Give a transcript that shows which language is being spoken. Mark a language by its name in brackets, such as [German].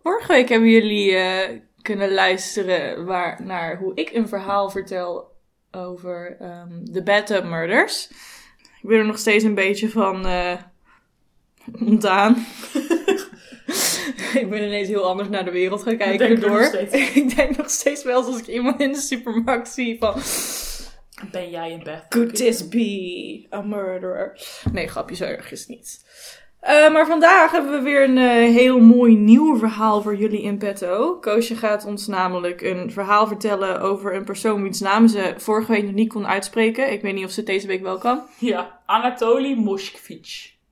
[Dutch] Vorige week hebben jullie kunnen luisteren naar hoe ik een verhaal vertel over de bathtub murders. Ik ben er nog steeds een beetje van ontdaan. Ik ben ineens heel anders naar de wereld gaan kijken. Ik denk nog steeds wel als ik iemand in de supermarkt zie van... Ben jij in bed? [English] Could this be a murderer? [Dutch] Nee, grapje, zo erg is het niet. Maar vandaag hebben we weer een heel mooi nieuw verhaal voor jullie in petto. Koosje gaat ons namelijk een verhaal vertellen over een persoon wiens naam ze vorige week nog niet kon uitspreken. Ik weet niet of ze deze week wel kan. Ja, Anatoly Moskvich.